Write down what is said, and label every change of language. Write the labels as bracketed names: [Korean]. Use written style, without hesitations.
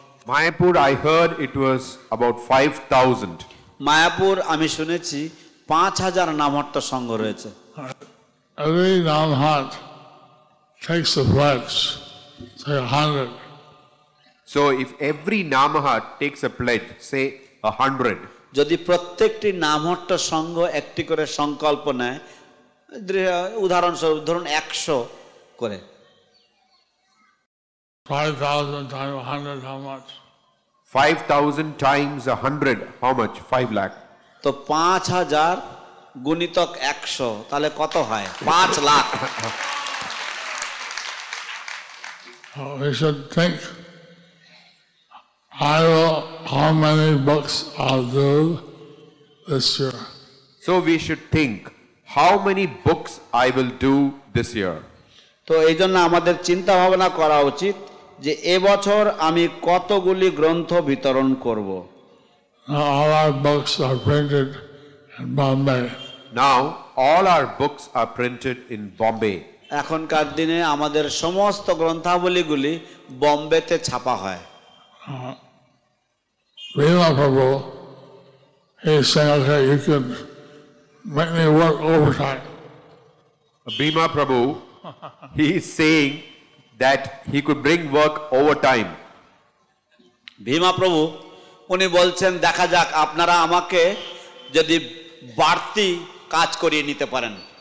[English] Mayapur, I heard it was about 5,000. [Bangla] Mayapur আমি শুনেছি 5,000 নামহট্ট সংঘ রয়েছে। [English] Every Namhatta takes a pledge, say 100. So if every Namahat takes a pledge, say 100. [Bangla] যদি প্রত্যেকটি নামহট্ট সংঘ একটি করে সংকল্প নেয়, উদাহরণস্বরূপ ধরুন 100 করে। [English] 5,000 times 100, how much? 5,000 times 100, how much? 5 lakh. [Bangla] So, 5,000 gunitok 100, tale koto hai? [English] 5 lakh. We should think, I will, how many books I'll do this year. So, we should think, how many books I will do this year. [Bangla] তো এই জন্য আমাদের চিন্তা ভাবনা করা উচিত যে এবছর আমি কতগুলি গ্রন্থ বিতরণ করব। [English] All our books are printed in Bombay. Now all our books are printed in Bombay. [Bangla] এখনকার দিনে আমাদের সমস্ত গ্রন্থাবলীগুলি বোম্বেতে ছাপা হয়। [English] Remarkable. He said that you could make me work overtime. Bhima Prabhu, he is saying that he could bring work overtime. [Bangla] Bhima Prabhu, উনি বলছেন দেখা যাক আপনারা আমাকে যদি বাড়তি কাজ করিয়ে নিতে পারেন।